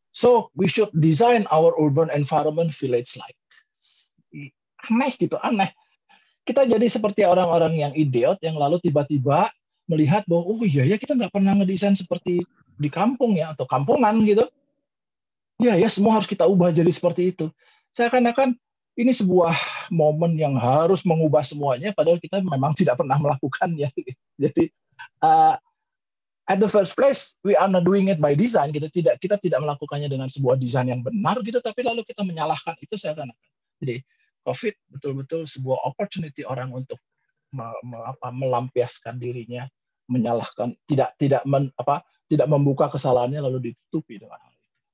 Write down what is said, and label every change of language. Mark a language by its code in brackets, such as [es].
[en] So we should design our urban environment village-like. [id] Aneh gitu, aneh. Kita jadi seperti orang-orang yang idiot yang lalu tiba-tiba melihat bahwa oh iya ya kita nggak pernah ngedesain seperti di kampung ya atau kampungan gitu. Ya ya semua harus kita ubah jadi seperti itu. Seakan-akan ini sebuah momen yang harus mengubah semuanya padahal kita memang tidak pernah melakukannya. [en] Jadi at the first place we are not doing it by design. [id] Kita tidak melakukannya dengan sebuah desain yang benar gitu. Tapi lalu kita menyalahkan itu seakan-akan. Jadi COVID betul-betul sebuah opportunity orang untuk melampiaskan dirinya, menyalahkan, tidak membuka kesalahannya lalu ditutupi dengan hal itu.